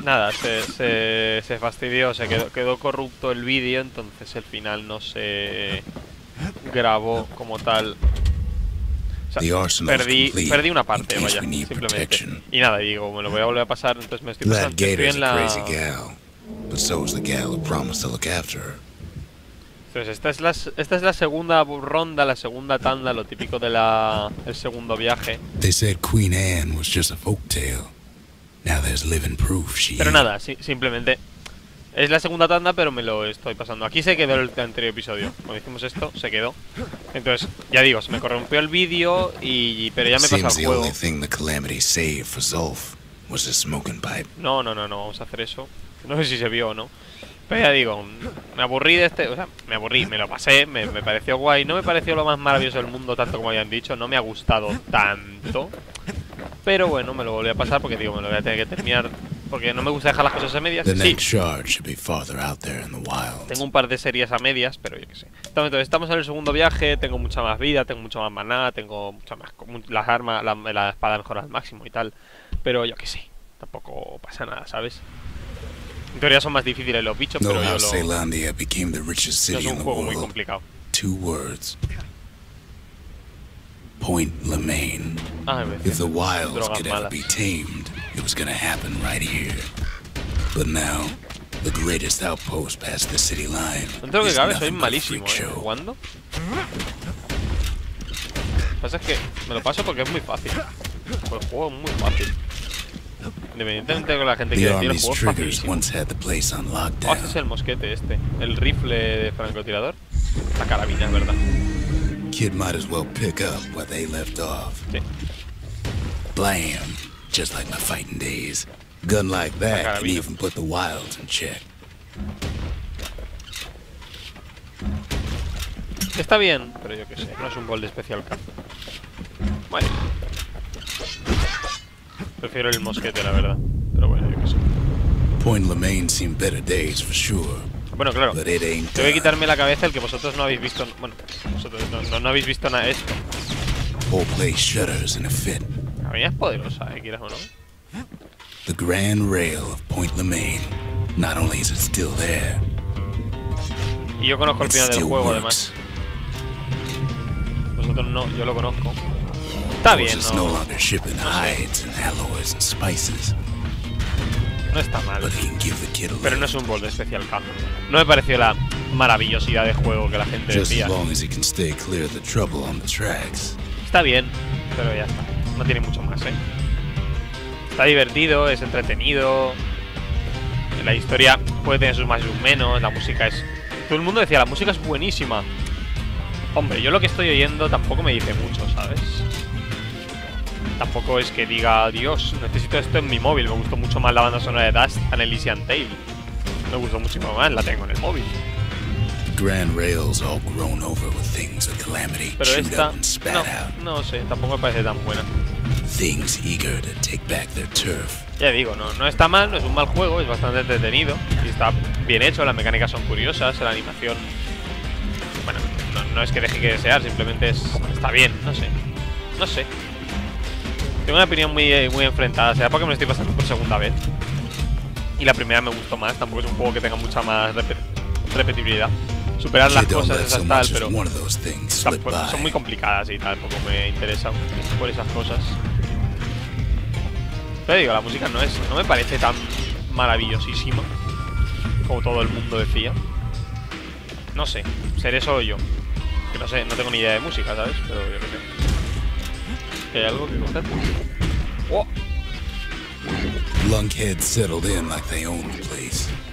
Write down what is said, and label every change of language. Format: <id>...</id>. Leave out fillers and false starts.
<es>Nada, se fastidió, se quedó corrupto el vídeo, entonces el final no se grabó como tal. O sea, perdí una parte, vaya, simplemente. Protection. Y nada, digo, me lo voy a volver a pasar, entonces me estoy pasando, estoy en la</es> <en>crazy gal, but so is the gal who promised to look after her.</en> <es>Entonces esta es la segunda ronda, la segunda tanda, lo típico de el segundo viaje.</es> <en>They said Queen Anne was just a folktale. Now there's living proof she.</en> <es>Pero nada, simplemente es la segunda tanda, pero me lo estoy pasando. Aquí se quedó el anterior episodio. Cuando hicimos esto, se quedó. Entonces, ya digo, se me corrompió el vídeo y pero ya me pasa el juego.</es> <en>Seems the only thing the calamity saved for Zulf was a smoking pipe.</en> <es>No, vamos a hacer eso. No sé si se vio o no. Pero ya digo, me aburrí de este, o sea, me aburrí, me lo pasé, me pareció guay, no me pareció lo más maravilloso del mundo tanto como habían dicho, no me ha gustado tanto. Pero bueno, me lo volví a pasar porque digo, me lo voy a tener que terminar porque no me gusta dejar las cosas a medias. Sí. Tengo un par de series a medias, pero yo qué sé. Entonces, estamos en el segundo viaje, tengo mucha más vida, tengo mucha más maná, tengo mucha más las armas, la espada mejora al máximo y tal, pero yo qué sé. Tampoco pasa nada, ¿sabes? En teoría son más difíciles los bichos, pero yo lo</es> <en>Zealandia became the richest city in the world.</en> <es>Es un juego muy complicado.</es> <en>Two words. Point Lemain. Ah, if the wilds could ever be tamed, it was gonna happen right here. But now, the greatest outpost past the city line.</en> <es>No tengo que cabe, soy malísimo, ¿cuándo? Lo que pasa es que me lo paso porque es muy fácil. El juego es muy fácil. Independientemente de lo que la gente quiere decir, el juego es facilísimo. Oh, este es el mosquete este. El rifle de francotirador. La carabina, es verdad.</es> <en>Kid might as well pick up where they left off.</en> <es>Sí.</es> <en>Blam, just like my fighting days. Gun like that can even put the wilds in check.</en> <es>Está bien, pero yo qué sé, no es un gol de especial cap. Vale. Prefiero el mosquete, la verdad. Pero bueno, yo qué sé.</es> <en>Point Lemain seemed better days for sure.</en> <es>Bueno, claro, tengo que quitarme la cabeza el que vosotros no habéis visto. Bueno, vosotros no habéis visto nada de esto.</es> <en>Whole place shudders in a fit.</en> <es>La mía es poderosa, quieras o no.</es> <en>The grand rail of Point Lemain. Not only is it still there.</en> <es>Y yo conozco el final del juego, works. Además. Vosotros no, yo lo conozco. Está bien, ¿no?</es> <en>No longer shipping hides and alloys and spices.</en> <es>No está mal. Pero no es un bol de especial campo. No me pareció la maravillosidad de juego que la gente decía. Está bien, pero ya está. No tiene mucho más, ¿eh? Está divertido, es entretenido. La historia puede tener sus más y sus menos. La música es. Todo el mundo decía, la música es buenísima. Hombre, yo lo que estoy oyendo tampoco me dice mucho, ¿sabes? Tampoco es que diga, Dios, necesito esto en mi móvil. Me gustó mucho más la banda sonora de Dust and Elysian Tail. Me gustó mucho más, la tengo en el móvil.</es> <en>Grand Rails all grown over with things of calamity.</en> <es>Pero esta, no sé, tampoco me parece tan buena.</es> <en>Things eager to take back their turf.</en> <es>Ya digo, no está mal, no es un mal juego, es bastante entretenido. Y está bien hecho, las mecánicas son curiosas, la animación. Bueno, no es que deje que desear, simplemente es. Está bien, no sé. Tengo una opinión muy enfrentada, será porque me lo estoy pasando por segunda vez. Y la primera me gustó más, tampoco es un juego que tenga mucha más repetibilidad. Superar las cosas esas tal, pero son muy complicadas y tampoco me interesa por esas cosas. Pero digo, la música no me parece tan maravillosísima como todo el mundo decía. No sé, seré solo yo. Que no sé, no tengo ni idea de música, ¿sabes? Pero yo creo que hay algo que coger. Oh.</es> <en>Lunkhead settled in like they own the place.</en>